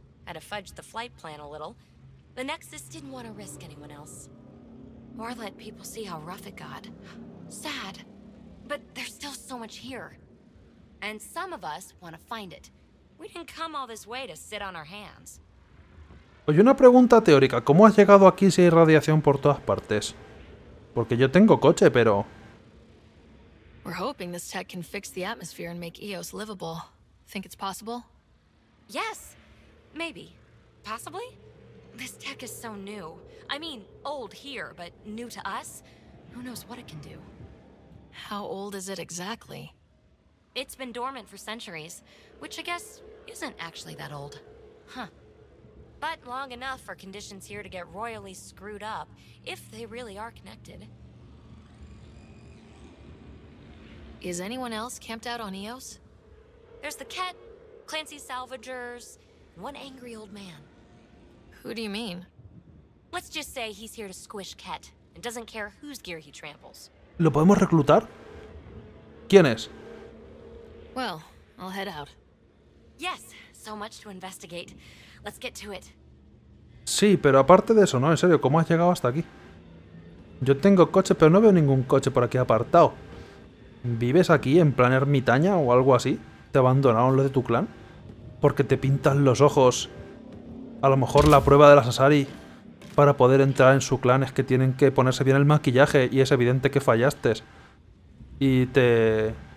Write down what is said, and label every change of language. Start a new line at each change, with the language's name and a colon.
English: Had to fudge the flight plan a little. The Nexus didn't want to risk anyone else. Or let people see how rough it got. Sad. But there's still so much here. And some of us want to find it. We didn't come all this way to sit on our hands.
Spanish: Oye, una pregunta teórica. ¿Cómo has llegado aquí si hay radiación por todas partes? Porque yo tengo coche, pero...
English: We're hoping this tech can fix the atmosphere and make Eos livable. Think it's possible? Yes. Maybe. Possibly? This tech is so new. I mean, old here, but new to us. Who knows what it can do? How old is it exactly? It's been dormant for centuries, which I guess isn't actually that old. Huh. But long enough for conditions here to get royally screwed up, if they really are connected. Is anyone else camped out on Eos? There's the Ket, Clancy Salvagers, and one angry old man. Who do you mean? Let's just say he's here to squish Ket, and doesn't care whose gear he tramples.
Spanish: ¿Lo podemos reclutar? ¿Quién es?
English: Well, I'll head out. Yes, so much to investigate. Let's get to it.
Spanish: Sí, pero aparte de eso, ¿no? En serio, ¿cómo has llegado hasta aquí? Yo tengo coche, pero no veo ningún coche por aquí apartado. ¿Vives aquí en plan ermitaña o algo así? ¿Te abandonaron los de tu clan? ¿Porque te pintan los ojos? A lo mejor la prueba de las Asari para poder entrar en su clan es que tienen que ponerse bien el maquillaje y es evidente que fallaste. Y te...